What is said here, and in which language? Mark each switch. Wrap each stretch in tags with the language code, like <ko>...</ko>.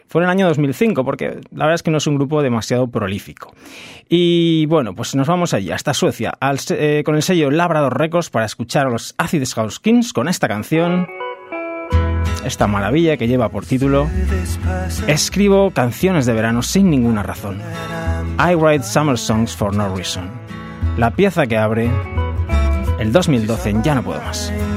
<es>Fue en el año 2005, porque la verdad es que no es un grupo demasiado prolífico. Y bueno, pues nos vamos allí, hasta Suecia, con el sello Labrador Records, para escuchar a los Acid House Kings con esta canción, esta maravilla que lleva por título Escribo canciones de verano sin ninguna razón.</es> <en>I write summer songs for no reason.</en> <es>La pieza que abre el 2012 en Ya no puedo más.</es>